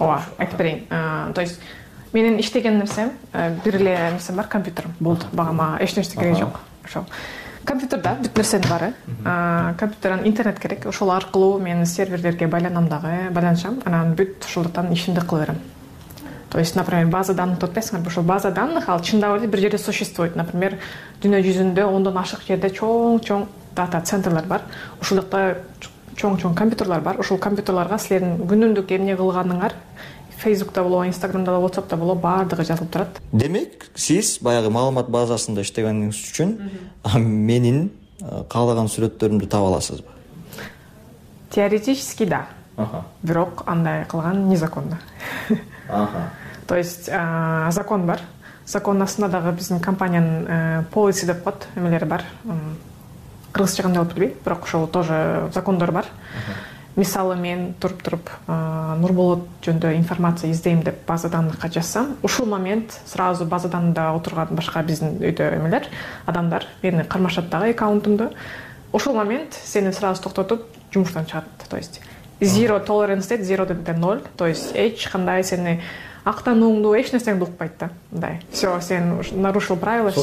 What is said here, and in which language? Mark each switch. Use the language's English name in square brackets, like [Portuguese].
[Kyrgyz] Ооба, айтып берейин. [Russian] То есть [Kyrgyz] менин иштеген нерсем бир эле нерсем бар, компьютерим. Болду. Багама эч нерсе керек жок. Ошо. Компьютерде бүт нерсенин баары. Компьютерден интернет керек. Ошол аркылуу мен серверлерге байланам дагы, байланышам. Анан бүт ошолдон ишимди кыла берем. [Russian] То есть, например, база данных [Kyrgyz] топтойсуңар, ошол [Russian] база данных ал чындап эле бир жерде существует. Например, [Kyrgyz] дүйнө жүзүндө ондон ашык жерде чоң-чоң дата центрлер бар. Ошол жакта чоң-чоң компьютерлер бар. Ошол компьютерлерге силердин күнүмдүк эмне кылганыңар Facebook'ta болобу, Instagram'da болобу, WhatsApp'ta болобу, баардыгы жазылып турат. Демек, сиз баягы маалымат базасында иштегениңиз үчүн менин каалаган сүрөттөрүмдү таба аласызбы? [Russian] Теоретически [Kyrgyz] да. Бирок андай кылган [Russian] незаконно. То есть, [Kyrgyz] закон бар. Закон астында дагы биздин компаниянын policy деп коет, эмелери бар. Кыргызча кандай болот билбейм, бирок ошол [Russian] тоже [Kyrgyz] закондор бар. Мисалы мен туруп-туруп Нурболот жөнүндө информация издейм деп база данныхка жазсам, ушул момент [Russian] сразу [Kyrgyz] база данныхта отурган башка биздин үйдө эмелер, адамдар мени кармашат дагы аккаунтумду. Ушул момент сени [Russian] сразу [Kyrgyz] токтотуп жумуштан чыгарат. [Russian] То есть [English] zero tolerance [Kyrgyz] дейт, zero деп те ноль. [Russian] То есть [Kyrgyz] эч кандай сени актанууңду, эч нерсеңди укпайт да. Мындай [Russian] все, [Kyrgyz] сен [Russian] нарушил правила, все.